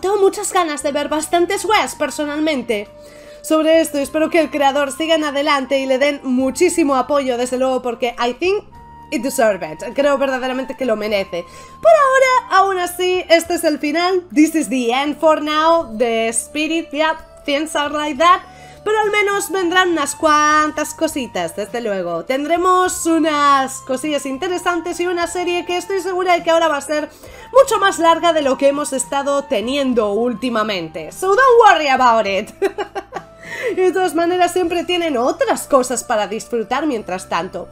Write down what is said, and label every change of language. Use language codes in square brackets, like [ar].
[es] Tengo muchas ganas de ver bastantes webs personalmente. Sobre esto, espero que el creador siga en adelante y le den muchísimo apoyo, desde luego, porque [en] I think it deserves it. [es] Creo verdaderamente que lo merece. Por ahora, aún así, este es el final. [en] This is the end for now. The spirit, yeah, things are like that. [es] Pero al menos vendrán unas cuantas cositas, desde luego. Tendremos unas cosillas interesantes y una serie que estoy segura de que ahora va a ser mucho más larga de lo que hemos estado teniendo últimamente. [en] So don't worry about it. [es] Y de todas maneras siempre tienen otras cosas para disfrutar mientras tanto.